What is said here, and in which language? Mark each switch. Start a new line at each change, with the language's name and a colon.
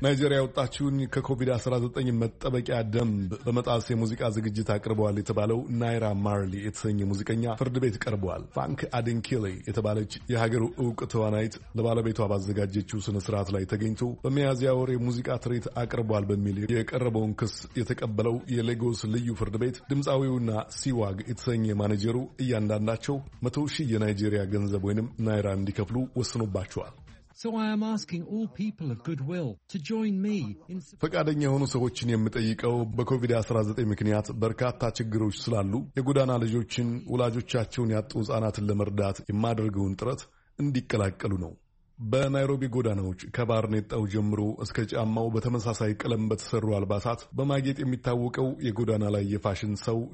Amharic: ናይጄሪያ ወጣችሁን ከኮቪድ-19 መጠበቂያ ደንብ በመጣስ የሙዚቃ ዝግጅት አቅርበዋል የተባለው ናይራ ማርሊ የተሰኘ ሙዚቀኛ ፍርድ ቤት ቀርበዋል። ፋንክ አድንኪሊ የተባለች የሀገሩ እውቅ ተዋናይት ለባለቤቷ ባዘጋጀችው ስነ ስርዓት ላይ ተገኝቶ በሚያዝያ ወር የሙዚቃ ትርኢት አቅርበዋል በሚል የቀረበውን ክስ የተቀበለው የሌጎስ ልዩ ፍርድ ቤት ድምፃዊውና ሲዋግ የተሰኘ ማኔጀሩ እያንዳንዳቸው 100,000 የናይጄሪያ ገንዘብ ወይንም ናይራ እንዲከፍሉ ወስኖባቸዋል።
English: So I am asking all people of goodwill to join me in
Amharic: ፈቃደኛ የሆኑ ሰዎችን የምጠይቀው በኮቪድ-19 ምክንያት በርካታ ችግሮች ስላሉ የጎዳና ልጆችን ወላጆቻቸውን ያጡ ህጻናትን ለመርዳት የማደርገውን ጥረት እንዲቀላቀሉ ነው። በናይሮቢ ጎዳናዎች ከባርኔጣው ጀምሮ እስከ ጫማው በተመሳሳይ ቀለም በተሰሩ አልባሳት በማጌጥ የሚታወቀው የጎዳና ላይ የፋሽን ሰው